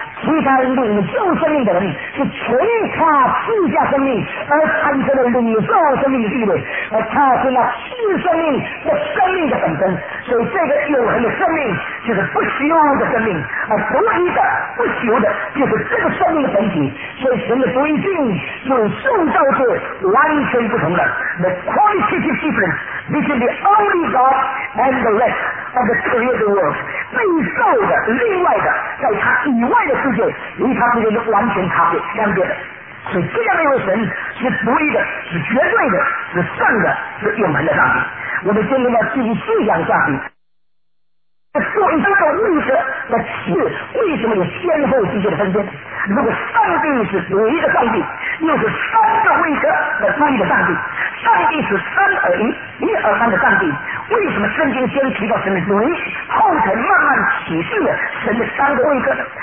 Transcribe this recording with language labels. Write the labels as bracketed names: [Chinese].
[Chinese] 其他领受生命的人是全他赐下生命而产生的领受生命的地位，而他是那赐生命的生命的本身。所以这个永恒的生命就是不朽的生命，而独一的不朽的就是这个生命的本体。所以神的独一性有受造是完全不同的。 [English] The qualitative difference between the only God and the rest of the created world， [Chinese] 被造的另外的在他以外的世界与他之间是完全差别相别的。所以这样的一位神是独一的，是绝对的，是善的，是永恒的上帝。我们今天要继续思想上帝所以这个位置的词为什么有先后之间的分辨？如果上帝是独一的上帝，又是三个位格的独一的上帝，上帝是三而一，一而三的上帝，为什么圣经先提到神的独一，后才慢慢启示了神的三个位格呢？